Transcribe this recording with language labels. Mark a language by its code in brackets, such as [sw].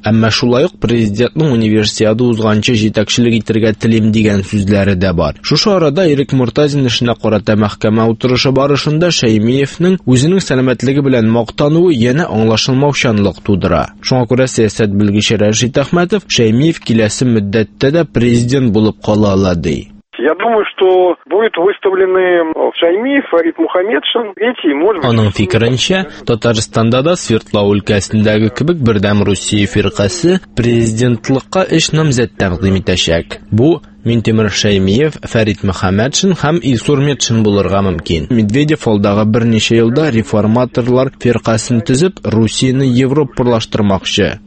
[tt] Әмма шулай ук президентның универсиада узганчы җитәкчелек итәргә телим дигән сүзләре дә бар. Шушы арада Ирек Муртазин эшенә карата мәхкәмә утырышы барышында Шәймиевнең үзенең сәламәтлеге белән мактануы яңа аңлашылмаучанлык тудыра. Шуңа күрә сәясәт бел Рәшит Әхмәтов Шәймиев киләсе мөддәттә дә президент булып кала ала ди. [ru] Я думаю, что будет выставлены Шаймиев, Фарид Мухаметшин, эти, может быть... [tt] Аның фикеренчә, Татарстанда да Свердлов өлкәсендәге кебек бердәм Русия фиркасы президентлыкка эш намзәт тәкъдим итәчәк. Бу Минтимер Шәймиев, Фәрит Мөхәммәтшин һәм Илсур Метшин булырга мөмкин. Медведев алдагы берничә елда реформаторлар фиркасын төзеп, Русияны европалаштырмакчы.